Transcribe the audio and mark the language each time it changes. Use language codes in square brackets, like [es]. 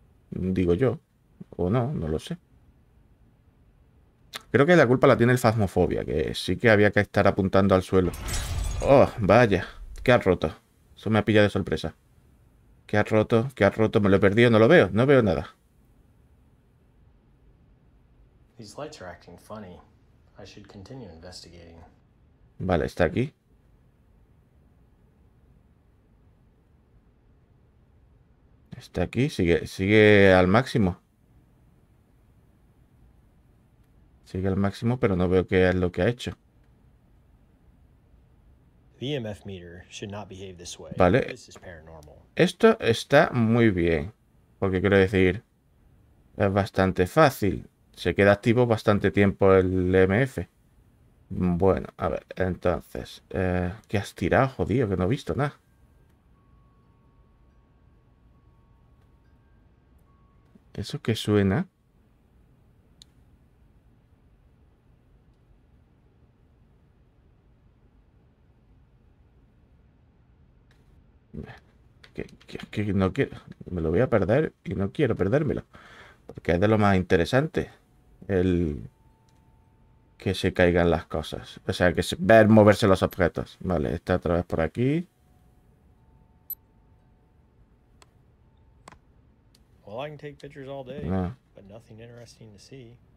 [es] Digo yo. O no, no lo sé. Creo que la culpa la tiene el Phasmophobia, que sí que había que estar apuntando al suelo. Oh, vaya. ¿Qué ha roto? Eso me ha pillado de sorpresa. ¿Qué ha roto? ¿Qué ha roto? Me lo he perdido, no lo veo, no veo nada. [en] These lights are acting funny. I should continue investigating. [es] Vale, está aquí. Está aquí, sigue al máximo. Sigue al máximo, pero no veo qué es lo que ha hecho. [en] The EMF meter should not behave this way. [es] Vale. [en] This is paranormal. [es] Esto está muy bien. Porque quiero decir, es bastante fácil. Se queda activo bastante tiempo el EMF. Bueno, a ver, entonces. ¿Qué has tirado, jodido? Que no he visto nada. ¿Eso qué suena? Que no quiero. Me lo voy a perder y no quiero perdérmelo. Porque es de lo más interesante. El. Que se caigan las cosas. O sea, que se ver moverse los objetos. Vale, está otra vez por aquí. [en] Well, I can take pictures all day, [es] No. [en] but nothing interesting to see.